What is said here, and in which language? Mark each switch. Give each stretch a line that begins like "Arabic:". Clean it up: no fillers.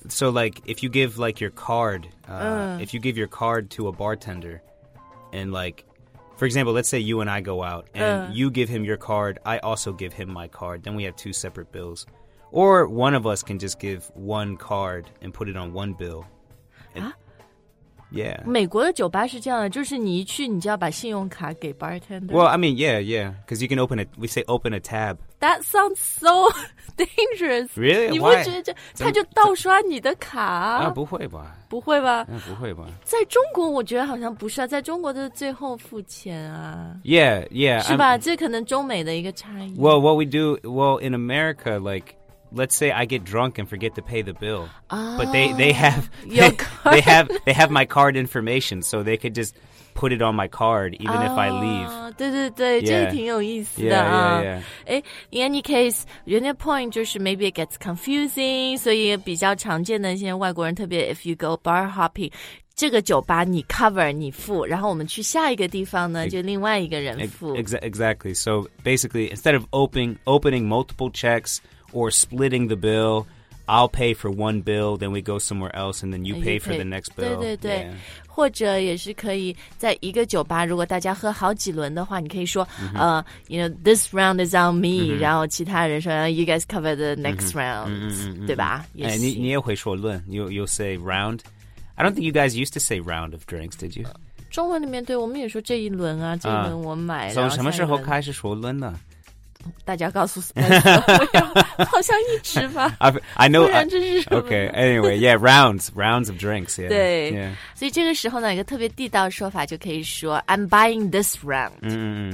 English: So, like, if you give, like, your card, if you give your card to a bartender and, like,For example, let's say you and I go out, and you give him your card, I also give him my card, then we have two separate bills. Or one of us can just give one card and put it on one bill. Yeah.
Chinese: 美国的酒吧是这样的，就是你一去，你就要把信用卡给 bartender.
English: Well, I mean, yeah, yeah, because you can open it. We say open a tab. That sounds so dangerous. Really?
Chinese: 你不觉得他就盗刷你的卡？不会吧？不会吧？不会吧？在中国，我觉得好像不是啊，在中国的最后付钱啊。 Yeah, yeah. 是吧？这可能中美的一个差异。
English: Well, what we do, well, in America, like. Let's say I get drunk and forget to pay the bill, but they have my card information, so they could just put it on my card even if I leave.
Chinese: 对对对，这也挺有意思的啊。
English: In any case, your point 就是 maybe it gets confusing, 所以比较常见的现在外国人特别 if you go bar hopping.
Chinese: 这个酒吧你 cover 你付然后我们去下一个地方呢就另外一个人付
English: Exactly So basically instead of opening multiple checks or splitting the bill I'll pay for one bill then we go somewhere else and then you pay for the next bill
Chinese: 对对对、yeah. 或者也是可以在一个酒吧如果大家喝好几轮的话你可以说、mm-hmm.
English: You know this round is on me、mm-hmm. 然后其他人说 You guys cover the next round、 mm-hmm.
Chinese: 对吧、
English: 哎、你也会说论 You'll say roundI don't think you guys used to say round of drinks, did you?
Chinese: 中文里面对我们也说这一轮啊，这一轮我买。从什么时候开始说轮呢？大家告诉 Spencer 好像一直吧
English: I know
Chinese: 不然这是什么
English: Okay anyway yeah rounds of drinks yeah,
Chinese: 对、 yeah. 所以这个时候呢一个特别地道的说法就可以说 I'm buying this round、 mm-hmm.